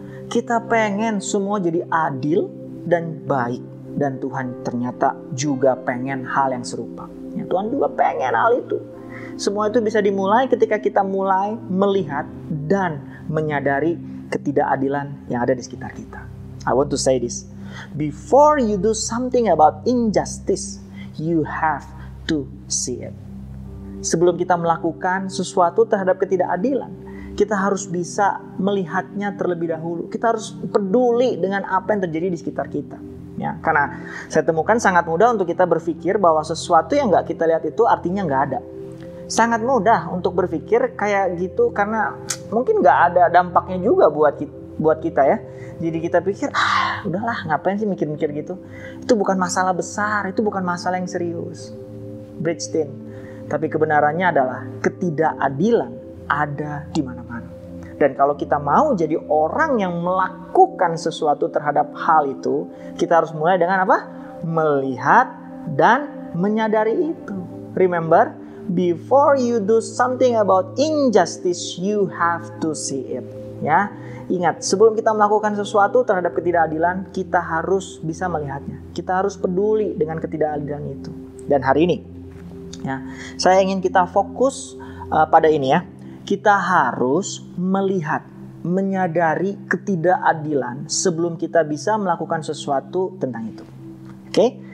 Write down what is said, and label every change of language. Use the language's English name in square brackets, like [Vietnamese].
[Indonesian] Kita pengen semua jadi adil dan baik. Dan Tuhan ternyata juga pengen hal yang serupa. Ya, Tuhan juga pengen hal itu. Semua itu bisa dimulai ketika kita mulai melihat dan menyadari ketidakadilan yang ada di sekitar kita. [English] I want to say this. Before you do something about injustice, you have to see it. [Indonesian] Sebelum kita melakukan sesuatu terhadap ketidakadilan, kita harus bisa melihatnya terlebih dahulu. Kita harus peduli dengan apa yang terjadi di sekitar kita. Ya, karena saya temukan sangat mudah untuk kita berpikir bahwa sesuatu yang nggak kita lihat itu artinya nggak ada. sangat mudah untuk berpikir kayak gitu karena mungkin nggak ada dampaknya juga buat kita ya. Jadi kita pikir, udahlah ngapain sih mikir-mikir gitu. Itu bukan masalah besar, itu bukan masalah yang serius. Bridgestin. Tapi kebenarannya adalah ketidakadilan ada di mana-mana. Dan kalau kita mau jadi orang yang melakukan sesuatu terhadap hal itu, kita harus mulai dengan apa? Melihat dan menyadari itu. [English] Remember, before you do something about injustice, you have to see it. [Indonesian] Ya, ingat, sebelum kita melakukan sesuatu terhadap ketidakadilan, kita harus bisa melihatnya. Kita harus peduli dengan ketidakadilan itu. Dan hari ini, ya, saya ingin kita fokus pada ini ya. Kita harus melihat, menyadari ketidakadilan sebelum kita bisa melakukan sesuatu tentang itu. Oke?